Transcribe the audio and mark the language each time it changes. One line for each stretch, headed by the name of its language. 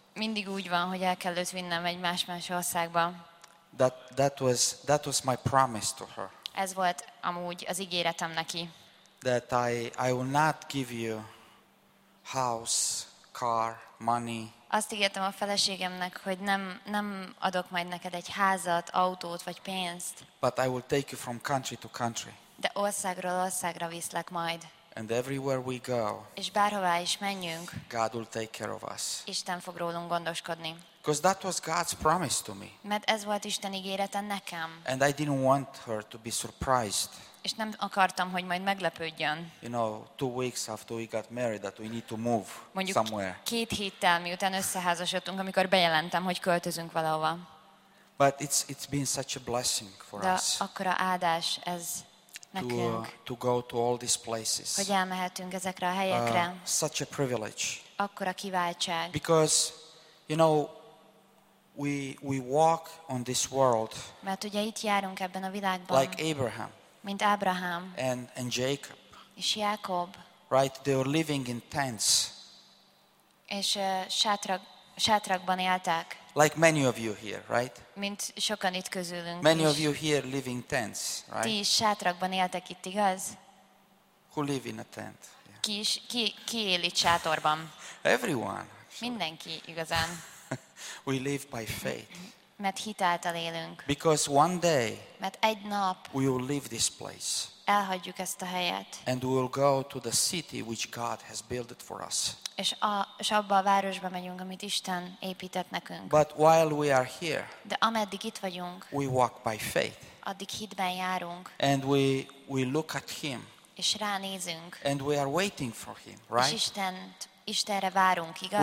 Hungarian: mindig úgy van, hogy el kellett vinnem egy más országba.
English: That was my promise to her.
Hungarian: Ez volt amúgy az ígéretem neki.
English: That I will not give you house, car, money.
Hungarian: Azt ígértem a feleségemnek, hogy nem adok majd neked egy házat, autót vagy pénzt.
English: But I will take you from country to country.
Hungarian: De országról országra viszlek majd.
English: And everywhere we go.
Hungarian: És bárhová is menjünk.
English: God will take care of us.
Hungarian: Isten fog rólunk gondoskodni.
English: Because that was God's promise to me.
Hungarian: Mert ez volt Isten ígérete nekem.
English: And I didn't want her to be surprised.
Hungarian: És nem akartam, hogy majd meglepődjön.
English: You know, 2 weeks after we got married that we need to move
Hungarian: mondjuk
English: somewhere.
Hungarian: Mondjuk 2 héttel miután összeházasodtunk, amikor bejelentem, hogy költözünk valahova.
English: But it's been such a blessing for
Hungarian: De
English: us.
Hungarian: De akkora áldás ez nekünk.
English: To go to all these places.
Hungarian: Hogy elmehetünk ezekre a helyekre.
English: Such a privilege.
Hungarian: Akkora kiváltság.
English: Because you know, we walk on this world.
Hungarian: Mert ugye itt járunk ebben a világban.
English: Like Abraham.
Hungarian: Mint Abraham.
English: And Jacob.
Hungarian: És Jákob.
English: Right, they were living in tents.
Hungarian: És sátrakban éltek.
English: Like many of you here, right?
Hungarian: Mint sokan itt közülünk.
English: Many of you here living tents, right?
Hungarian: Ti is sátrakban éltek itt, igaz?
English: Who live in a tent?
Hungarian: Yeah. Ki él itt sátorban?
English: Everyone.
Hungarian: Mindenki igazán.
English: We live by faith.
Hungarian: Mert hitáltal élünk.
English: Because one day.
Hungarian: Mert egy nap.
English: We will leave this place.
Hungarian: Elhagyjuk ezt a helyet.
English: And we will go to the city which God has built for us.
Hungarian: És abba a városba megyünk, amit Isten épített nekünk.
English: But while we are here.
Hungarian: De ameddig itt vagyunk.
English: We walk by faith.
Hungarian: Addig hitben járunk.
English: And we look at Him.
Hungarian: És ránézünk.
English: And we are waiting for Him, right?
Hungarian: És Istenre várunk, igaz?